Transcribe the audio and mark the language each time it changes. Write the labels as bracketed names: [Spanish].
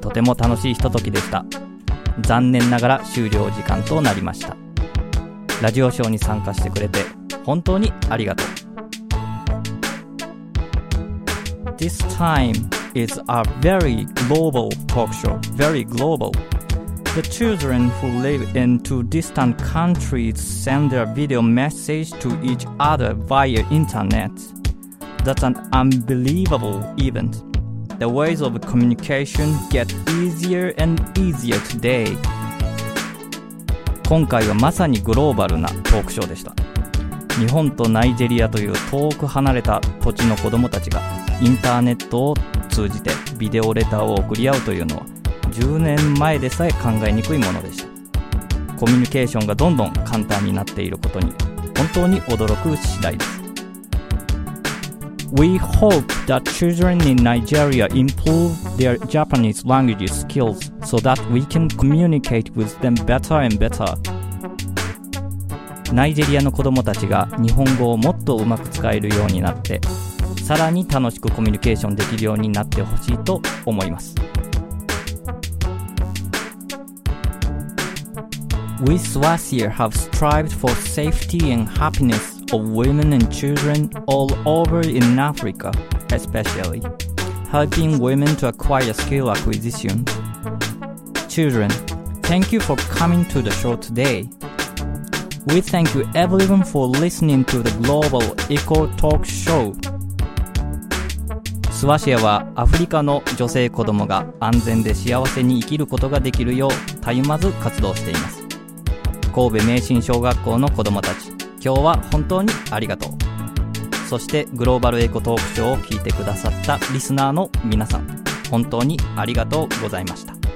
[Japanese] とても楽しいひとときでした。残念ながら終了時間となりました。ラジオショーに参加してくれて本当にありがとう。 [English] This time is a very global talk show, very global. The children who live in two distant countries send their video message to each other via internet. That's an unbelievable event. The ways of communication get easier and easier today. [Japanese] 今回はまさにグローバルなトークショーでした。日本とナイジェリアという遠く離れた土地の子どもたちがインターネットを通じてビデオレターを送り合うというのは10年前でさえ考えにくいものでした。コミュニケーションがどんどん簡単になっていることに本当に驚く次第です。 [English] We hope that children in Nigeria improve their Japanese language skillsSo that we can communicate with them better and better. [Japanese] ナイジェリアの子供たちが日本語をもっとうまく使えるようになって、さらに楽しくコミュニケーションできるようになってほしいと思います。 [English] We Swazir have strived for safety and happiness of women and children all over in Africa, especially helping women to acquire skill acquisition. Children, thank you for coming to the show today. We thank you everyone for listening to the Global Eco Talk Show. [Japanese] スワシアはアフリカの女性子供が安全で幸せに生きることができるようたゆまず活動しています。神戸明新小学校の子供たち、今日は本当にありがとう。そしてグローバルエコトークショーを聞いてくださったリスナーの皆さん、本当にありがとうございました。